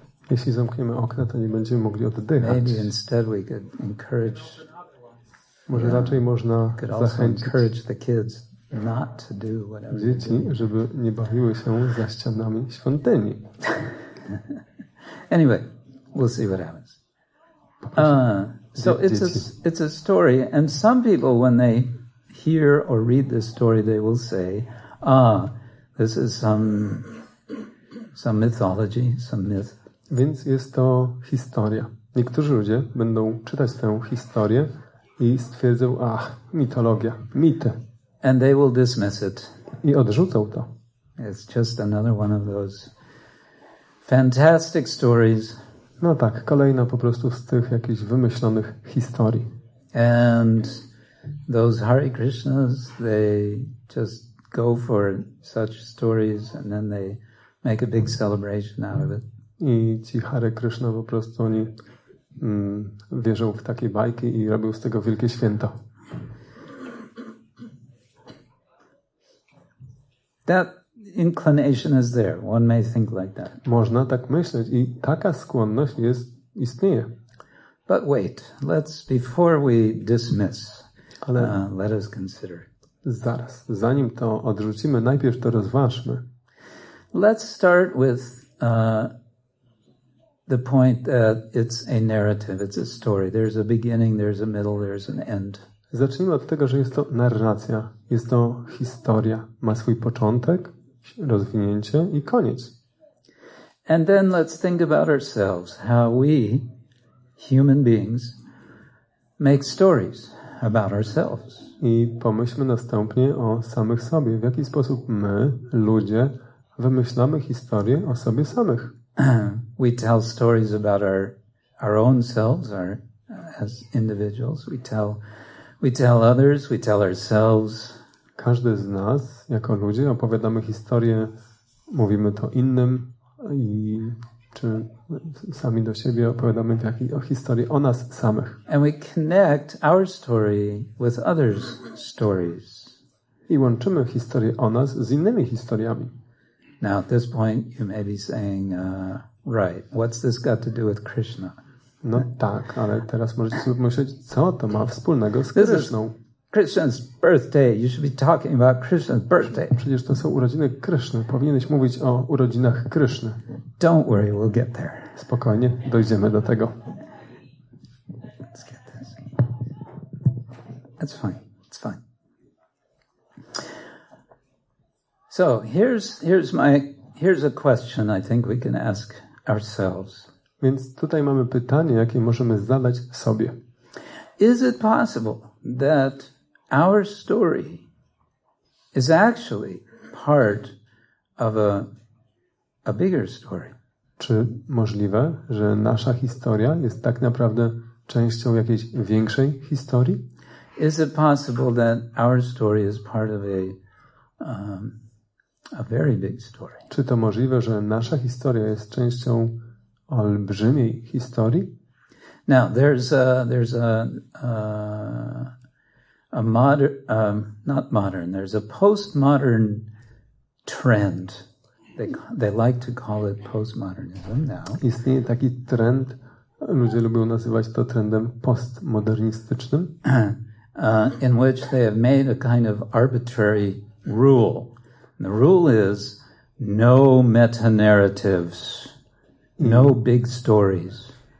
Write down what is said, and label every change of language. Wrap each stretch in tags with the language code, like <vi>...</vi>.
<pl>Jeśli zamkniemy okna, to nie będziemy mogli oddychać.</pl> <en>Maybe instead we could encourage.</en> <pl>Może raczej można zachęcić</pl> <en>encourage the kids not to do whatever.</en> <pl>Dzieci, żeby nie bawiły się za ścianami świątyni.</pl> <en>Anyway, we'll see what happens. So it's a story, and some people, when they hear or read this story, they will say, "Ah, this is some mythology, some myth."</en> <pl>Więc jest to historia. Niektórzy ludzie będą czytać tę historię i stwierdzą, "Ah, mitologia, mity."</pl> <en>And they will dismiss it.</en> <pl>I odrzucą to.</pl> <en>It's just another one of those fantastic stories.</en> <pl>No tak, kolejna po prostu z tych jakichś wymyślonych historii.</pl> <en>And those Hare Krishnas, they just go for such stories and then they make a big celebration out of it.</en> <pl>I ci Hare Krishna po prostu oni wierzą w takie bajki i robią z tego wielkie święto.</pl> <en>That inclination is there. One may think like that.</en> <pl>Można tak myśleć i taka skłonność jest istnieje.</pl> <en>But wait, before we dismiss, let us consider.</en> <pl>Zaraz, zanim to odrzucimy, najpierw to rozważmy.</pl> <en>Let's start with the point that it's a narrative, it's a story. There's a beginning, there's a middle, there's an end.</en> <pl>Zacznijmy od tego, że jest to narracja, jest to historia, ma swój początek, rozwinięcie i koniec.</pl> <en>And then let's think about ourselves, how we human beings make stories about ourselves.</en> <pl>I pomyślmy następnie o samych sobie, w jaki sposób my ludzie wymyślamy historie o sobie samych.</pl> <en>We tell stories about our own selves, our as individuals. We tell We tell others, we tell ourselves.</en> <pl>Każdy z nas, jako ludzie, opowiadamy historię, mówimy to innym i czy sami do siebie opowiadamy o historii o nas samych.</pl> <en>And we connect our story with others' stories.</en> <pl>I łączymy historię o nas z innymi historiami.</pl> <en>Now at this point you may be saying, right, what's this got to do with Krishna?</en> <pl>No tak, ale teraz możecie sobie myśleć, co to ma wspólnego z Krishną.</pl> <en>Krishna's birthday. You should be talking about Krishna's birthday.</en> <pl>Przecież to są urodziny Kryszny. Powinieneś mówić o urodzinach Kryszny.</pl> <en>Don't worry, we'll get there.</en> <pl>Spokojnie, dojdziemy do tego.</pl> <en>Let's get this. That's fine. It's fine. So here's a question I think we can ask ourselves.</en> <pl>Więc tutaj mamy pytanie, jakie możemy zadać sobie.</pl> <en>Is it possible that our story is actually part of a bigger story?</en> <pl>Czy możliwe, że nasza historia jest tak naprawdę częścią jakiejś większej historii?</pl> <en>Is it possible that our story is part of a very big story?</en> <pl>Czy to możliwe, że nasza historia jest częścią olbrzymiej historii?</pl> <en>Now there's a postmodern trend. They like to call it postmodernism now.</en> <pl>Istnieje taki trend, ludzie lubią nazywać to trendem postmodernistycznym,</pl> <en>in which they have made a kind of arbitrary rule. And the rule is no meta narratives, no big stories.</en>